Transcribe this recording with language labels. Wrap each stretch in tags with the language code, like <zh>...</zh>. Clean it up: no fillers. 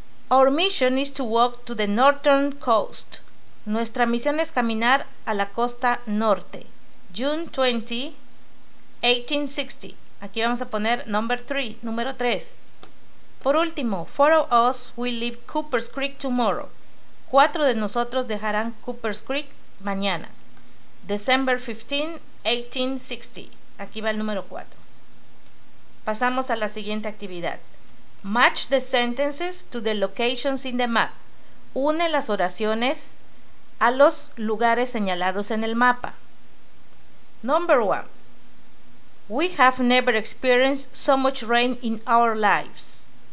<en>Our mission is to walk to the northern coast.</en> <es>Nuestra misión es caminar a la costa norte.</es> <en>June 20, 1860.</en> <es>Aquí vamos a poner número 3. Por último,</es> <en>4 of us will leave Cooper's Creek tomorrow.</en> <es>4 de nosotros dejarán Cooper's Creek mañana.</es> <en>December 15, 1860.</en> <es>Aquí va el número 4. Pasamos a la siguiente actividad.</es> <en>Match the sentences to the locations in the map.</en> <es>Une las oraciones a los lugares señalados en el mapa.</es> <en>Number 1. We have never experienced so much rain in our lives.</en>